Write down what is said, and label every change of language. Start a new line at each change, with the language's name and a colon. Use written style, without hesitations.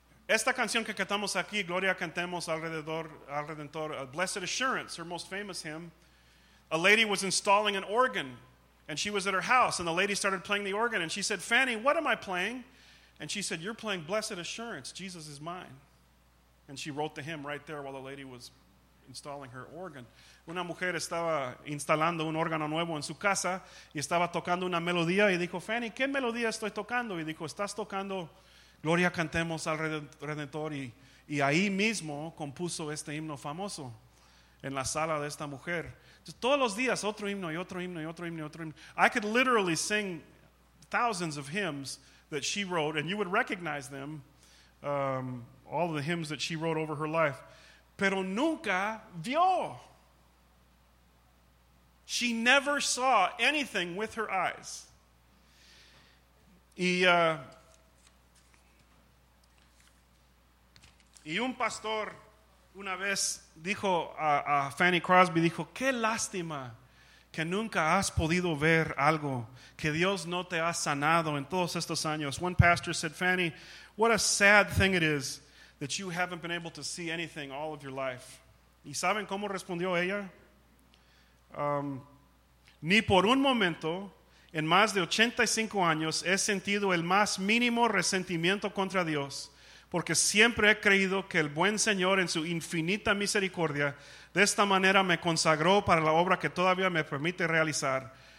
Spanish: Esta canción que cantamos aquí,
English: Gloria Cantemos Alrededor, al Redentor, Blessed Assurance, her most famous hymn. A lady was installing an organ. And she was at her house, and the lady started playing the organ. And she said, Fanny, what am I playing? And she said, you're playing Blessed Assurance, Jesus is mine. And she wrote the hymn right there while the lady was installing her organ.
Spanish: Una mujer estaba instalando un órgano nuevo en su casa, y estaba tocando una melodía, y dijo, Fanny, ¿qué melodía estoy tocando? Y dijo, estás tocando Gloria Cantemos al Redentor. Y ahí mismo compuso este himno famoso en la sala de esta mujer. Todos los días, otro himno, y otro himno, y otro himno, y otro himno.
English: I could literally sing thousands of hymns that she wrote, and you would recognize them, all of the hymns that she wrote over her life.
Spanish: Pero nunca vio.
English: She never saw anything with her eyes.
Spanish: Y un pastor una vez dijo a Fanny Crosby, dijo, qué lástima que nunca has podido ver algo, que Dios no te ha sanado en todos estos años.
English: One pastor said, Fanny, what a sad thing it is that you haven't been able to see anything all of your life.
Spanish: ¿Y saben cómo respondió ella? Ni por un momento en más de 85 años he sentido el más mínimo resentimiento contra Dios. Porque siempre he creído que el buen Señor en su infinita misericordia de esta manera me consagró para la obra que todavía me permite realizar.